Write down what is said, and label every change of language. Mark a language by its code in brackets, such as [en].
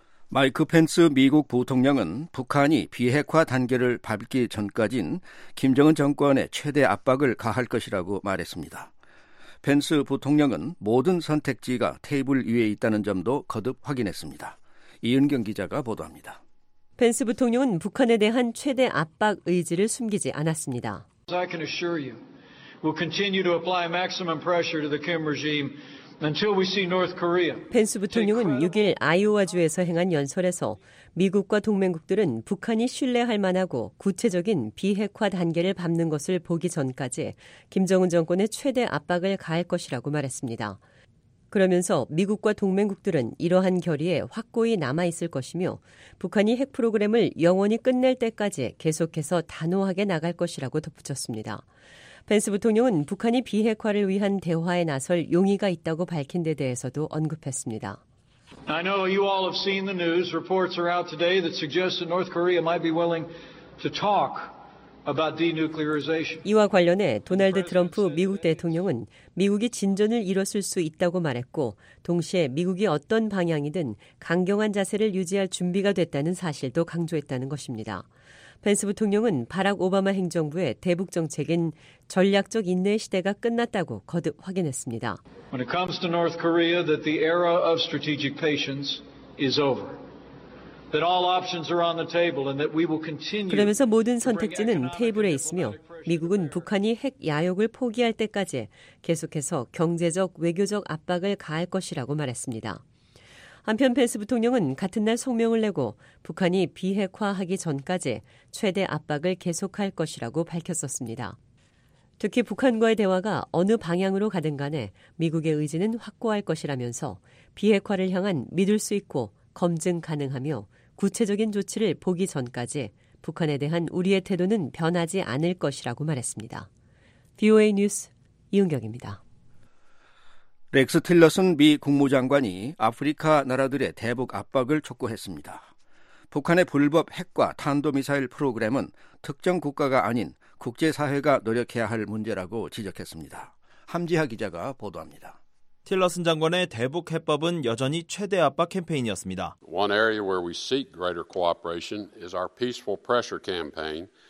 [ko] 마이크 펜스 미국 부통령은 북한이 비핵화 단계를 밟기 전까진 김정은 정권에 최대 압박을 가할 것이라고 말했습니다. 펜스 부통령은 모든 선택지가 테이블 위에 있다는 점도 거듭 확인했습니다. 이은경 기자가 보도합니다. 펜스 부통령은 북한에 대한 최대 압박 의지를 숨기지 않았습니다. [en] I can assure you, we'll continue to apply maximum pressure to the Kim regime. [ko] 펜스 부통령은 6일 아이오와주에서 행한 연설에서 미국과 동맹국들은 북한이 신뢰할 만하고 구체적인 비핵화 단계를 밟는 것을 보기 전까지 김정은 정권의 최대 압박을 가할 것이라고 말했습니다. 그러면서 미국과 동맹국들은 이러한 결의에 확고히 남아있을 것이며 북한이 핵 프로그램을 영원히 끝낼 때까지 계속해서 단호하게 나갈 것이라고 덧붙였습니다. 펜스 부통령은 북한이 비핵화를 위한 대화에 나설 용의가 있다고 밝힌 데 대해서도 언급했습니다. [en] I know you all have seen the news. Reports are out today that suggest that North Korea might be willing to talk about denuclearization. [ko] 이와 관련해 도널드 트럼프 미국 대통령은 미국이 진전을 이뤘을 수 있다고 말했고 동시에 미국이 어떤 방향이든 강경한 자세를 유지할 준비가 됐다는 사실도 강조했다는 것입니다. 펜스 부통령은 바락 오바마 행정부의 대북 정책인 전략적 인내 시대가 끝났다고 거듭 확인했습니다. [en] When it comes to North Korea, that the era of strategic patience is over. That all options are on the table and that we will continue. [ko] 그러면서 모든 선택지는 테이블에 있으며 미국은 북한이 핵 야욕을 포기할 때까지 계속해서 경제적 외교적 압박을 가할 것이라고 말했습니다. 한편 펜스 부통령은 같은 날 성명을 내고 북한이 비핵화하기 전까지 최대 압박을 계속할 것이라고 밝혔었습니다. 특히 북한과의 대화가 어느 방향으로 가든 간에 미국의 의지는 확고할 것이라면서 비핵화를 향한 믿을 수 있고 검증 가능하며 구체적인 조치를 보기 전까지 북한에 대한 우리의 태도는 변하지 않을 것이라고 말했습니다. VOA 뉴스 이은경입니다. 렉스 틸러슨 미 국무장관이 아프리카 나라들의 대북 압박을 촉구했습니다. 북한의 불법 핵과 탄도미사일 프로그램은 특정 국가가 아닌 국제사회가 노력해야 할 문제라고 지적했습니다. 함지하 기자가 보도합니다. 틸러슨 장관의 대북 해법은 여전히 최대 압박 캠페인이었습니다. [en] One area where we seek greater cooperation is our peaceful pressure campaign.